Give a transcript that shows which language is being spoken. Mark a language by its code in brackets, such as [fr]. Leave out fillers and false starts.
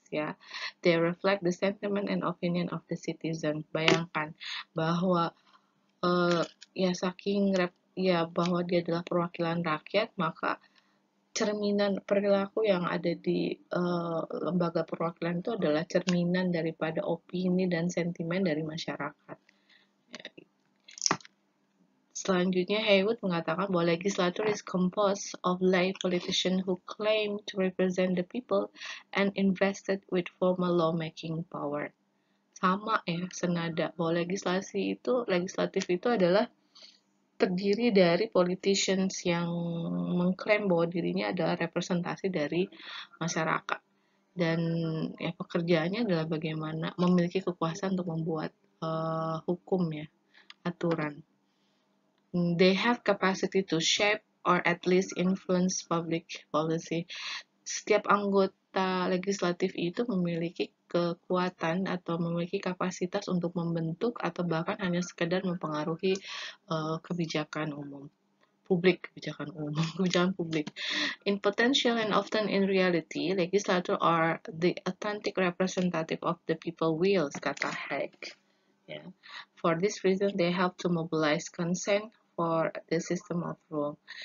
[en] Ya, they reflect the sentiment and opinion of the citizen. [id] Bayangkan bahwa ya saking ya bahwa dia adalah perwakilan rakyat, maka cerminan perilaku yang ada di lembaga perwakilan itu adalah cerminan daripada opini dan sentimen dari masyarakat. Selanjutnya, Haywood mengatakan bahwa [en] legislator is composed of lay politicians who claim to represent the people and invested with formal lawmaking power. [id] Sama ya, senada bahwa legislatif itu adalah terdiri dari politicians yang mengklaim bahwa dirinya adalah representasi dari masyarakat. Dan ya, pekerjaannya adalah bagaimana memiliki kekuasaan untuk membuat hukum ya, aturan. [en] They have capacity to shape or at least influence public policy. [id] Setiap anggota legislatif itu memiliki kekuatan atau memiliki kapasitas untuk membentuk atau bahkan hanya sekedar mempengaruhi kebijakan umum publik, kebijakan umum, kebijakan publik. [en] In potential and often in reality, legislators are the authentic representative of the people wills, [id] kata Haig. [en] Yeah. For this reason, they help to mobilize consent for the system of rule.